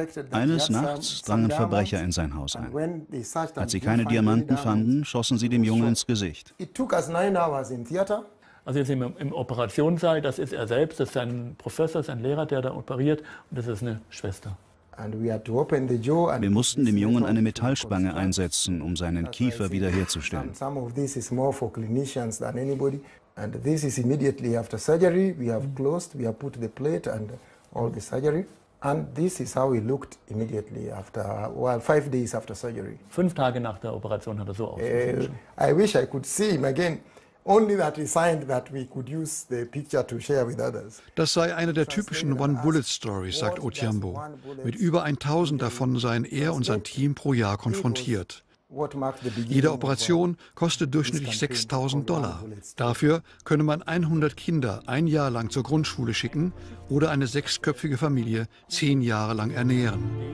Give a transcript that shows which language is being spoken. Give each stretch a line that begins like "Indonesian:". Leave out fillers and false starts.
German: Eines Nachts drangen Verbrecher in sein Haus ein. Als sie keine Diamanten fanden, schossen sie dem Jungen ins Gesicht. Also jetzt sind wir im Operationssaal, das ist er selbst, das ist sein Professor, sein Lehrer, der da operiert, und das ist eine Schwester. Wir mussten dem Jungen eine Metallspange einsetzen, um seinen Kiefer wiederherzustellen.
English: Some of this is more for clinicians than anybody. And this is immediately after surgery. We have closed, we have put the plate and all the surgery. And this is how he looked immediately after, well, 5 days after surgery.
German: 5 Tage nach der Operation hat er so ausgesehen.
English: I wish I could see him again. Only that he signed that we could use the picture to share with others.
German: Das sei eine der typischen One-Bullet-Stories, sagt Utiambo. Mit über 1000 davon seien er und sein Team pro Jahr konfrontiert. Jede Operation kostet durchschnittlich $6,000. Dafür könne man 100 Kinder ein Jahr lang zur Grundschule schicken oder eine sechsköpfige Familie 10 Jahre lang ernähren.